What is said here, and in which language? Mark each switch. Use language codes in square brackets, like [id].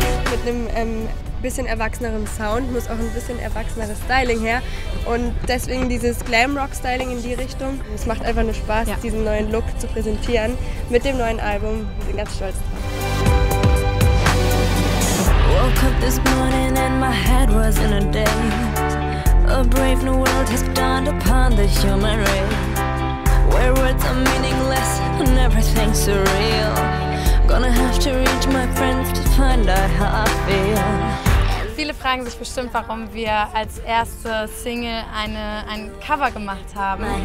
[de] Mit einem bisschen erwachseneren Sound muss auch ein bisschen erwachseneres Styling her. Und deswegen dieses Glamrock-Styling in die Richtung. Es macht einfach nur Spaß, diesen neuen Look zu präsentieren mit dem neuen Album. Wir sind ganz stolz drauf. [en] Woke up this morning and my head was in a daze. A brave new world has dawned upon the human race. Where words are meaningless and everything surreal. Gonna have to reach my friends to find out how I feel. [de] Viele fragen sich bestimmt, warum wir als erste Single ein Cover gemacht haben.